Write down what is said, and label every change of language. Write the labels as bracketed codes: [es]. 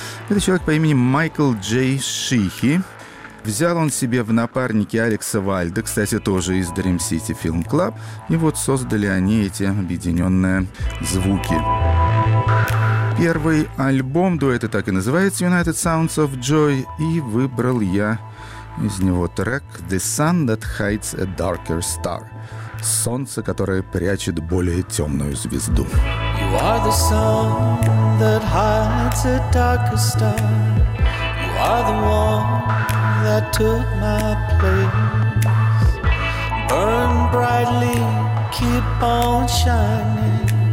[ru] Это человек по имени Майкл Джей Шихи. Взял он себе в напарники Алекса Вальда, кстати, тоже из Dream City Film Club. И вот создали они эти объединенные звуки. Первый альбом дуэта так и называется United Sounds of Joy. И выбрал я из него трек The Sun That Hides a Darker Star. Солнце, которое прячет более темную звезду. [en] You are the sun that hides a darker star. You are the one that took my place. Burn brightly, keep on shining.